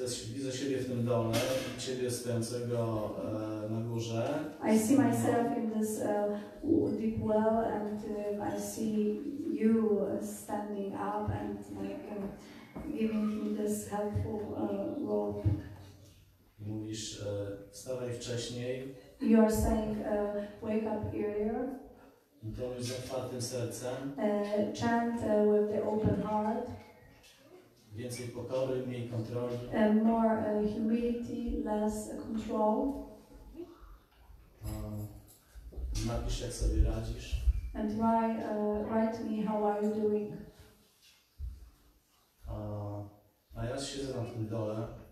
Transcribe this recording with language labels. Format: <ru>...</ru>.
<pl>Widzę siebie w tym dole, ciebie stojącego na górze.</pl> <en>I see myself in this deep well and I see you standing up and like giving me this helpful rope.</en> <pl>Mówisz, wstawaj wcześniej.</pl> <en>You are saying, wake up earlier.</en> <pl>Intonuj z otwartym sercem.</pl> <en>Chant with the open heart.</en> <pl>Więcej pokory, mniej kontroli.</pl> <en>More humility, less control.</en> <pl>Napisz, jak sobie radzisz.</pl> <en>And write me how are you doing.</en> <pl>A ja siedzę na tym dole.</pl>